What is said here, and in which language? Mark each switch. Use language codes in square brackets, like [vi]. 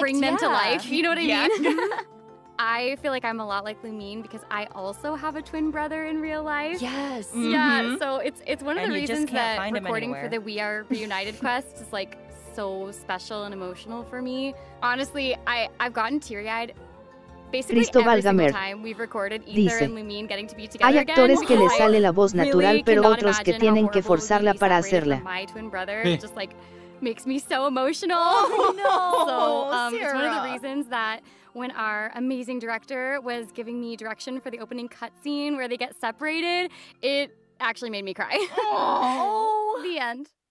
[en] Bring them to life. You know what I mean? I feel like I'm a lot like Lumin because I also have a twin brother in real life. Yes. Mm-hmm. Yeah. So it's one of the reasons that recording for the We Are Reunited quest is like so special and emotional for me. Honestly, I've gotten teary-eyed [es] Cristo Valgamer dice, hay actores que les sale la voz natural, pero otros que tienen que forzarla para hacerla. [en] Makes me so emotional. Sarah. It's one of the reasons that when our amazing director was giving me direction for the opening cutscene where they get separated, it actually made me cry. The end.